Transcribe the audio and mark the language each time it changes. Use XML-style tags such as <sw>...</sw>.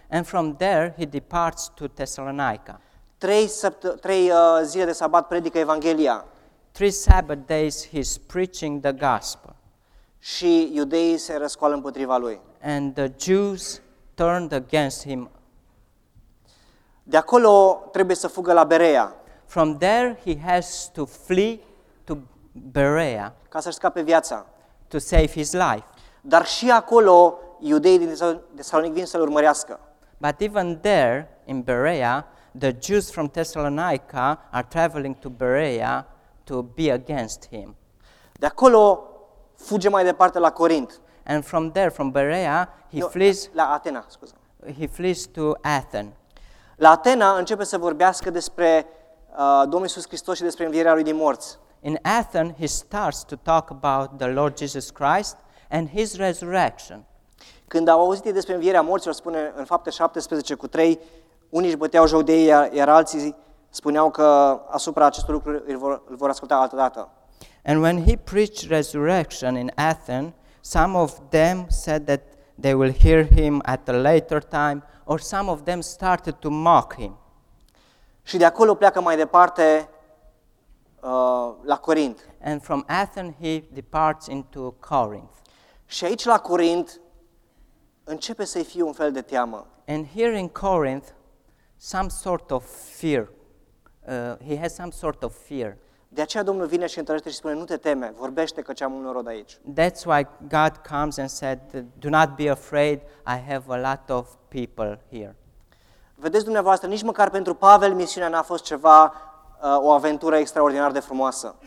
<en>And from there he departs to Thessalonica.</en> <ro>Trei zile de sabat predică Evanghelia.</ro> <en>Three Sabbath days he's preaching the gospel.</en> <ro>Și iudeii se răscoală împotriva lui.</ro> <en>And the Jews turned against him.</en> <ro>De acolo trebuie să fugă la Berea.</ro> <en>From there he has to flee to Berea.</en> <ro>Ca să-și scape viața.</ro> <en>To save his life.</en> <ro>Dar și acolo iudeii din Tesalonic vin să-l urmărească.</ro> <en>But even there, in Berea, the Jews from Thessalonica are traveling to Berea to be against him.</en> <ro>De acolo fuge mai departe la Corint.</ro> <en>And from there, from Berea, he flees to Athens.</en> <ro>La Atena începe să vorbească despre Domnul Iisus Hristos și despre învierea lui din morți.</ro> <en>In Athens, he starts to talk about the Lord Jesus Christ and his resurrection.</en> <ro>Când au auzit despre învierea morților, spune în Fapte 17 cu 3, unii își băteau joc de ei, iar alții spuneau că asupra acestor lucruri îl vor asculta altă dată.</ro> <en>And when he preached resurrection in Athens, some of them said that they will hear him at a later time, or some of them started to mock him.</en> <ro>Și de acolo pleacă mai departe la Corint.</ro> <en>And from Athens he departs into Corinth.</en> <ro>Și aici la Corint începe să-i fie un fel de teamă.</ro> <en>And here in Corinth, some sort of fear. He has some sort of fear.</en> <ro>De aceea Domnul vine și întărește și spune, nu te teme, vorbește că am un norod aici.</ro> <en>That's why God comes and said, do not be afraid, I have a lot of people here.</en> <ro>Vedeți dumneavoastră, nici măcar pentru Pavel misiunea n-a fost ceva, o aventură extraordinar de frumoasă.</ro>